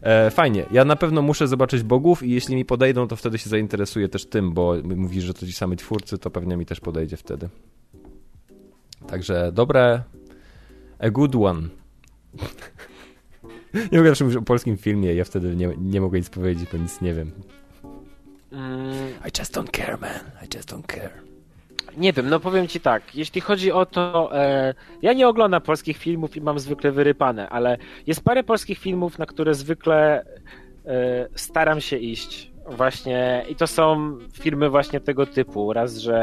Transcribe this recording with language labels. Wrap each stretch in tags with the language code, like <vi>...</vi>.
<pl>Fajnie, ja na pewno muszę zobaczyć Bogów i jeśli mi podejdą, to wtedy się zainteresuję też tym, bo mówisz, że to ci sami twórcy, to pewnie mi też podejdzie wtedy. Także dobre,</pl> <en>a good one.</en> <pl>Nie mogę zawsze mówić o polskim filmie, ja wtedy nie mogę nic powiedzieć, bo nic nie wiem.</pl> <en>I just don't care, man, I just don't care.</en> <pl>Nie wiem, no powiem ci tak, jeśli chodzi o to, ja nie oglądam polskich filmów i mam zwykle wyrypane, ale jest parę polskich filmów, na które zwykle staram się iść właśnie, i to są filmy właśnie tego typu, raz,</pl>